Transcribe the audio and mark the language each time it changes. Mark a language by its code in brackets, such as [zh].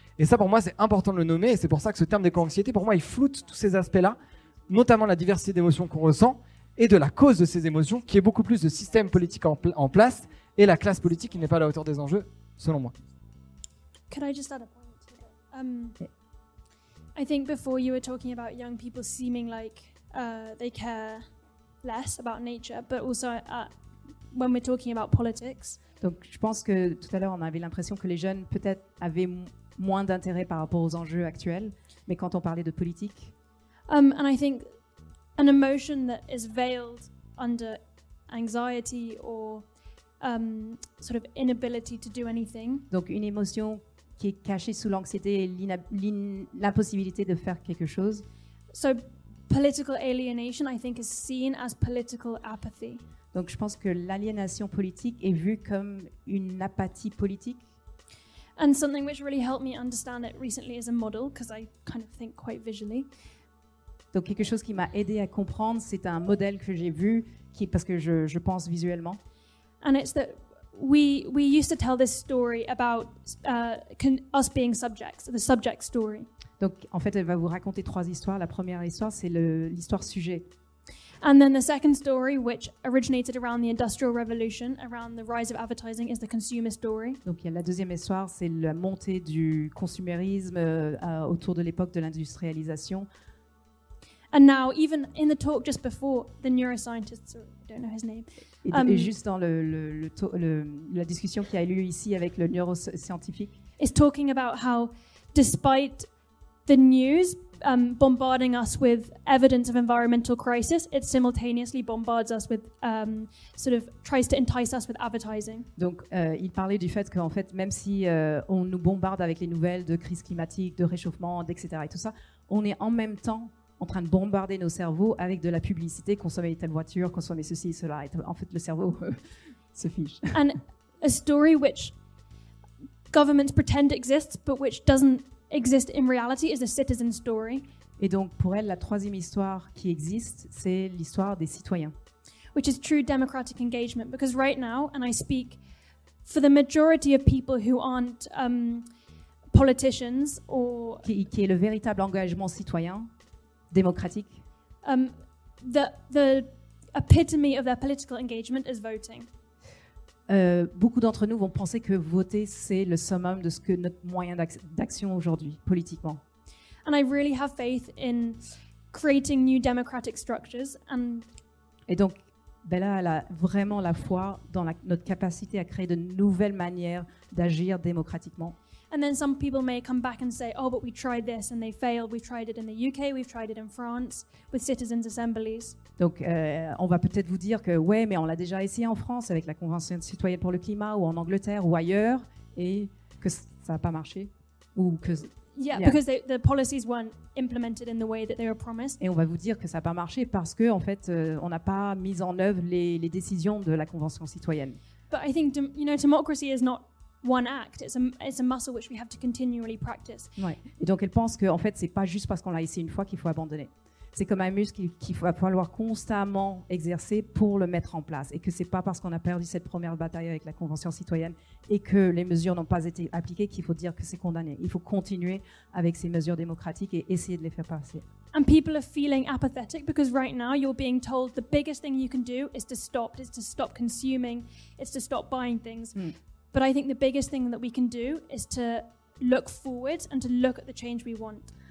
[fr] Et ça, pour moi, c'est important de le nommer, et c'est pour ça que ce terme d'éco-anxiété, pour moi, il floute tous ces aspects-là, notamment la diversité d'émotions qu'on ressent, et de la cause de ces émotions, qui est beaucoup plus de système politique en place et la classe politique qui n'est pas à la hauteur des enjeux, selon moi. [en] Could I just add a point? I think before you were talking about young people seeming like they care less about nature, but also when we're talking about politics. [fr] Donc, je pense que tout à l'heure, on avait l'impression que les jeunes peut-être avaient moins d'intérêt par rapport aux enjeux actuels, mais quand on parlait de politique. [en] And I think an emotion that is veiled under anxiety or sort of inability to do anything. [fr] Donc une émotion qui est cachée sous l'anxiété et l'impossibilité de faire quelque chose. [en] So political alienation, I think, is seen as political apathy. [fr] Donc je pense que l'aliénation politique est vue comme une apathie politique. [en] And something which really helped me understand it recently is a model, because I kind of think quite visually. [fr] Donc quelque chose qui m'a aidé à comprendre, c'est un modèle que j'ai vu, qui, parce que je pense visuellement. [en] And it's that we used to tell this story about us being subjects, the subject story. [fr] Donc en fait, elle va vous raconter trois histoires. La première histoire, c'est l'histoire sujet. [en] And then the second story, which originated around the Industrial Revolution, around the rise of advertising, is the consumer story. [fr] Donc il y a la deuxième histoire, c'est la montée du consumérisme autour de l'époque de l'industrialisation. [en] And now, even in the talk just before, the neuroscientist, sorry, I don't know his name. [fr] Et juste dans la discussion qui a eu lieu ici avec le neuroscientifique. [en] Is talking about how, despite the news bombarding us with evidence of environmental crisis, it simultaneously bombards us with, sort of, tries to entice us with advertising. [fr] Donc, il parlait du fait qu'en fait, même si on nous bombarde avec les nouvelles de crise climatique, de réchauffement, etc. et tout ça, on est en même temps en train de bombarder nos cerveaux avec de la publicité, consommer telle voiture, consommer ceci, cela. En fait, le cerveau se fiche. [en] And a story which governments pretend exists, but which doesn't exist in reality, is a citizen story. [fr] Et donc, pour elle, la troisième histoire qui existe, c'est l'histoire des citoyens. [en] Which is true democratic engagement, because right now, and I speak for the majority of people who aren't politicians or... [fr] Qui est le véritable engagement citoyen. Démocratique. [en] The epitome of their political engagement is voting. [fr] Beaucoup d'entre nous vont penser que voter c'est le summum de ce que notre moyen d'action aujourd'hui politiquement. [en] And I really have faith in creating new democratic structures. And [fr] et donc Bella elle a vraiment la foi dans notre capacité à créer de nouvelles manières d'agir démocratiquement. [en] And then some people may come back and say, oh, but we tried this and they failed. We tried it in the UK, we've tried it in France with citizens' assemblies. [fr] Donc, on va peut-être vous dire que, ouais, mais on l'a déjà essayé en France avec la Convention citoyenne pour le climat ou en Angleterre ou ailleurs et que ça n'a pas marché. Ou que, [en] Because the policies weren't implemented in the way that they were promised. [fr] Et on va vous dire que ça n'a pas marché parce qu'en fait, on n'a pas mis en œuvre les décisions de la Convention citoyenne. [en] But I think, you know, democracy is not one act, it's a muscle which we have to continually practice. [fr] Ouais. Et donc elle pense que en fait c'est pas juste parce qu'on l'a essayé une fois qu'il faut abandonner. C'est comme un muscle qu'il va falloir constamment exercer pour le mettre en place et que c'est pas parce qu'on a perdu cette première bataille avec la Convention citoyenne et que les mesures n'ont pas été appliquées qu'il faut dire que c'est condamné. Il faut continuer avec ces mesures démocratiques et essayer de les faire passer. [en] And people are feeling apathetic because right now you're being told the biggest thing you can do is to stop, it's to stop consuming, it's to stop buying things. Mm. But I think the biggest thing that we can do is to look forward and to look at the change we want.